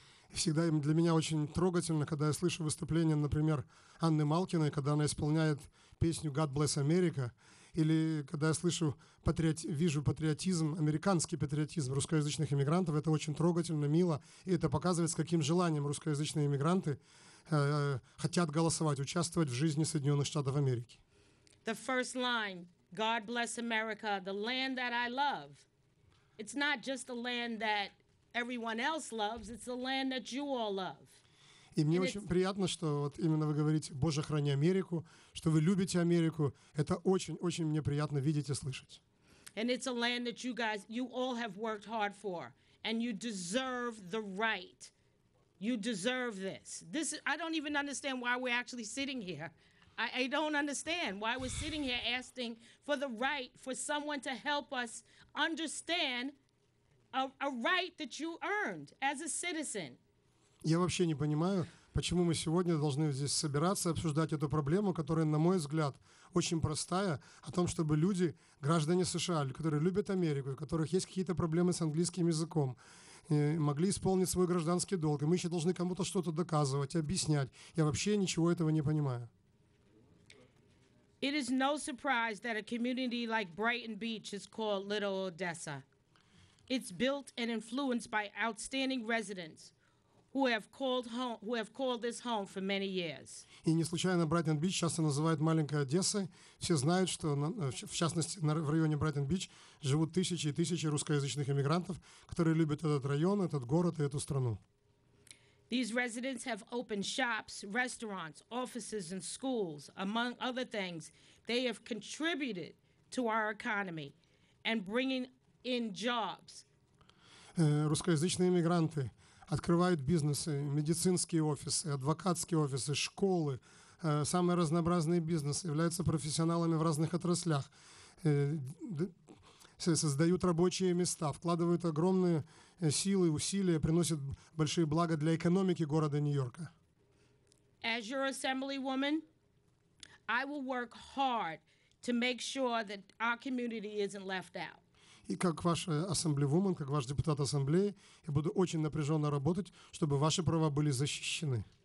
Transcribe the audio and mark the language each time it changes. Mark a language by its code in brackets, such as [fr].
[ru] Всегда для меня очень трогательно, когда я слышу выступление, например, Анны Малкиной, когда она исполняет песню "God Bless America", или когда я слышу вижу патриотизм, американский патриотизм русскоязычных иммигрантов, это очень трогательно, мило, и это показывает, с каким желанием русскоязычные иммигранты хотят голосовать, участвовать в жизни Соединенных Штатов Америки. [en] The first line, "God bless America, the land that I love." It's not just a land that everyone else loves. It's the land that you all love. [ru] И мне очень приятно, что вот именно вы говорите, Боже, храни Америку, что вы любите Америку. Это очень-очень мне приятно видеть и слышать. [en] And it's a land that you guys, you all have worked hard for. And you deserve the right. You deserve this. This, I don't even understand why we're actually sitting here. I don't understand why we're sitting here asking for the right for someone to help us understand a right that you earned as a citizen. [ru] Я вообще не понимаю, почему мы сегодня должны здесь собираться, обсуждать эту проблему, которая, на мой взгляд, очень простая, о том, чтобы люди, граждане США, которые любят Америку, у которых есть какие-то проблемы с английским языком, могли исполнить свой гражданский долг, и мы еще должны кому-то что-то доказывать, объяснять. Я вообще ничего этого не понимаю. [en] It is no surprise that a community like Brighton Beach is called Little Odessa. It's built and influenced by outstanding residents. Who have called this home for many years. [ru] И не случайно Брайтон Бич часто называют маленькой Одессой. Все знают, что в частности в районе Брайтон Бич живут тысячи и тысячи русскоязычных иммигрантов, которые любят этот район, этот город и эту страну. [en] These residents have opened shops, restaurants, offices and schools, among other things. They have contributed to our economy and bringing in jobs. [ru] Русскоязычные иммигранты открывают бизнесы, медицинские офисы, адвокатские офисы, школы, самые разнообразные бизнесы, являются профессионалами в разных отраслях, создают рабочие места, вкладывают огромные силы, усилия, приносят большие блага для экономики города Нью-Йорка. [en] As your assemblywoman, I will work hard to make sure that our community isn't left out. [ru] И как ваш ассамблевумен, как ваш депутат ассамблеи, я буду очень напряженно работать, чтобы ваши права были защищены.